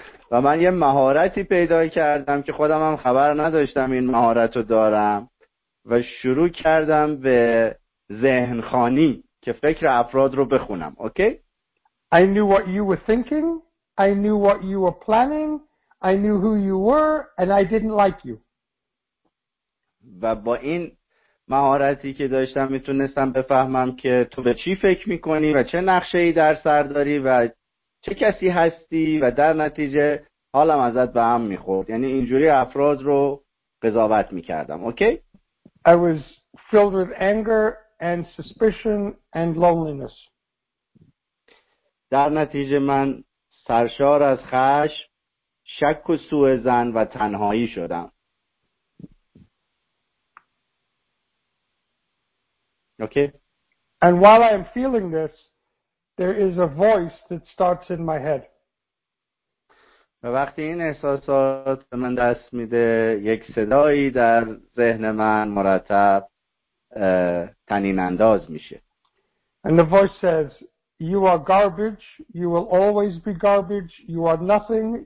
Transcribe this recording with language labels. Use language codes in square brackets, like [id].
[fa] و من یه مهارتی پیدا کردم که خودم هم خبر نداشتم این مهارت رو دارم و شروع کردم به ذهنخوانی که فکر افراد رو بخونم. اوکی؟ [en] I knew what you were thinking. I knew what you were planning. I knew who you were and I didn't like you. [fa] و با این مهارتی که داشتم میتونستم بفهمم که تو به چی فکر میکنی و چه نقشه ای در سر داری و چه کسی هستی و در نتیجه حالم ازت به هم میخورد. یعنی اینجوری افراد رو قضاوت میکردم. اوکی؟ [en] I was filled with anger and suspicion and loneliness. [fa] در نتیجه من سرشار از خشم، شک و سوء ظن و تنهایی شدم. [en] Okay. And while I am feeling this, there is a voice that starts in my head. [fa] وقتی این احساسات به من دست میده، یک صدایی در ذهن من مرتب تنین انداز میشه. [en] And the voice says, "You are garbage. You will always be garbage. You are nothing.